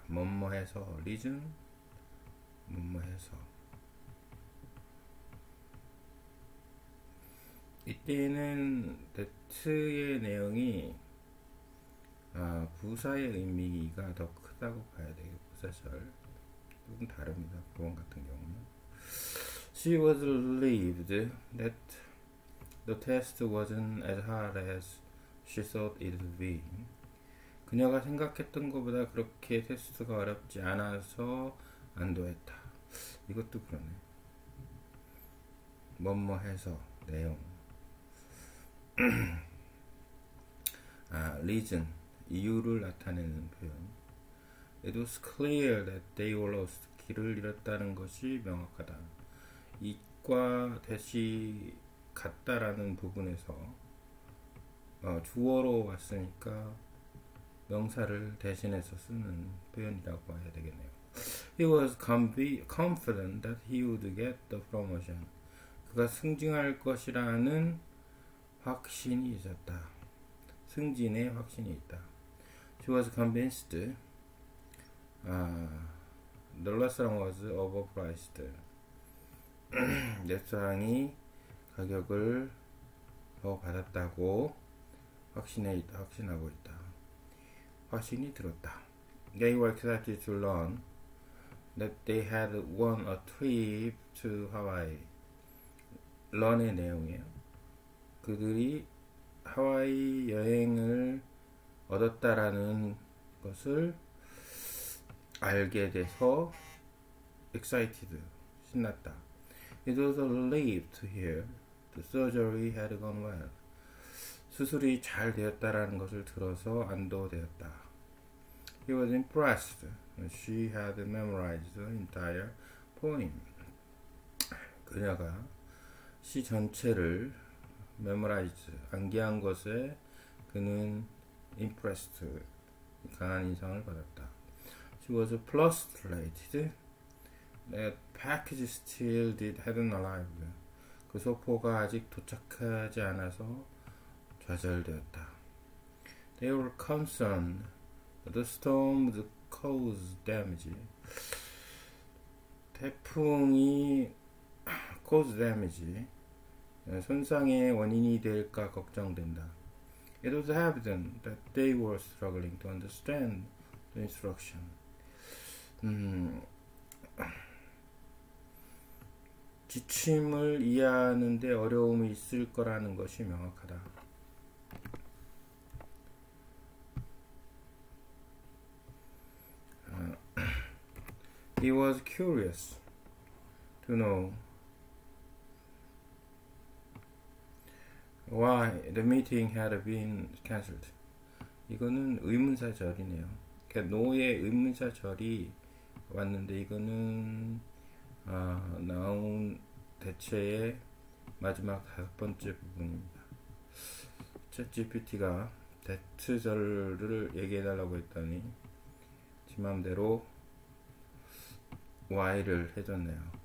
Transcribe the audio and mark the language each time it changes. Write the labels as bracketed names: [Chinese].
[Korean] 뭐뭐해서, reason, 뭐뭐해서. 이때는 that의 내용이 부사의 의미가 더 크다고 봐야 되겠고, 사실 조금 다릅니다. 보험 같은 경우는. [English] She was relieved that the test wasn't as hard as she thought it would be. [Korean] 그녀가 생각했던 것보다 그렇게 테스트가 어렵지 않아서 안도했다. 이것도 그러네. 뭐뭐해서 내용. [English] 아, reason. [Korean] 이유를 나타내는 표현. [English] It was clear that they were lost. [Korean] 길을 잃었다는 것이 명확하다. it과 that이 같다라는 부분에서 주어로 왔으니까 명사를 대신해서 쓰는 표현이라고 봐야 되겠네요. [English] He was confident that he would get the promotion. [Korean] 그가 승진할 것이라는 확신이 있었다. 승진의 확신이 있다. [English] She was convinced. The restaurant was overpriced. [Korean] 레스토랑이 가격을 더 받았다고 확신하고 있다. 확신이 들었다. [English] They were excited to learn that they had won a trip to Hawaii. [Korean] Learn의 내용이에요. 그들이 하와이 여행을 얻었다라는 것을 알게 돼서 excited, 신났다. [English] It was a relief to hear the surgery had gone well. [Korean] 수술이 잘 되었다라는 것을 들어서 안도되었다. [English] He was impressed. She had memorized the entire poem. [Korean] 그녀가 시 전체를 메모라이즈 암기한 것에 그는 impressed 강한 인상을 받았다. [English] She was frustrated that package still did hadn't arrived. [Korean] 그 소포가 아직 도착하지 않아서 좌절되었다. [English] They were concerned that the storm would cause damage. [Korean] 태풍이 [English] cause damage. [Korean] 손상의 원인이 될까 걱정된다. [English] It was evident that they were struggling to understand the instruction. [Korean] 지침을 이해하는 데 어려움이 있을 거라는 것이 명확하다. [English] He was curious to know why the meeting had been cancelled. [Korean] 이거는 의문사절이네요. 노의 의문사절이 왔는데 이거는 나온 대체의 마지막 다섯 번째 부분입니다. ChatGPT가 that절을 얘기해 달라고 했더니 지 맘대로 why를 해줬네요.